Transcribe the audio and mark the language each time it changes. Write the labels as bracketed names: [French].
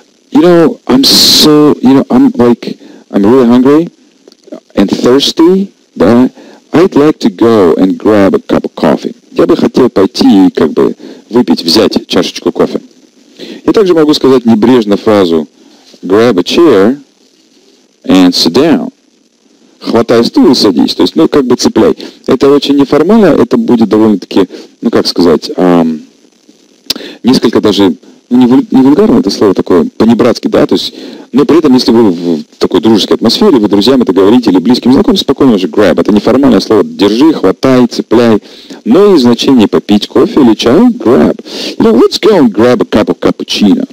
[English] You know, I'm so, you know, I'm like, I'm really hungry and thirsty, but I'd like to go and grab a cup of coffee. [Russian] Я бы хотел пойти и как бы выпить, взять чашечку кофе. Я также могу сказать небрежно фразу [English] grab a chair and sit down. [Russian] Хватай стул и садись. То есть, ну, как бы цепляй. Это очень неформально, это будет довольно-таки, ну, как сказать, несколько даже, ну, не вульгарно это слово такое, по-небратски, да, то есть, но при этом, если вы в такой дружеской атмосфере, вы друзьям это говорите или близким знакомым, спокойно уже grab. Это неформальное слово держи, хватай, цепляй. Но и значение попить кофе или чай grab. [English] You know, let's go and grab a cup of cappuccino.